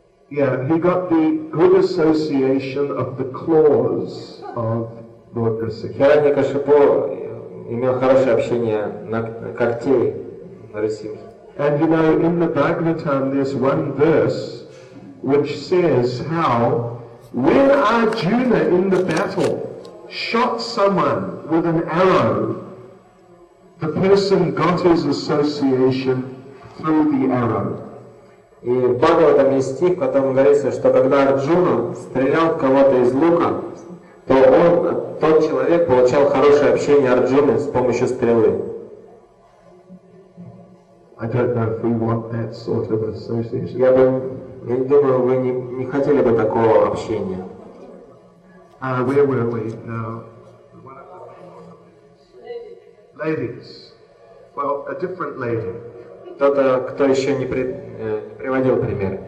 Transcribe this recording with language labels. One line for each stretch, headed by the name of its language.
English: Yeah, he got the good association of the claws of Lord Rasika.
Russian: Радхикашипу имел хорошее общение на когтей Нарасимхи.
English: And you know, in the Bhagavatam, there's one verse which says how, when Arjuna in the battle shot someone with an arrow, the person got his association through the arrow.
Russian: И в Бхагаватам есть стих, в котором говорится, что когда Арджуна стрелял в кого-то из лука, то он, тот человек получал хорошее общение Арджуны с помощью стрелы.
English: I don't know if we want that sort of association.
Russian: Я бы, я не думаю, вы не, не хотели бы такого общения.
English: Where were we now? Ladies. Well, a different lady.
Russian: Кто-то, кто еще не, при, не приводил пример.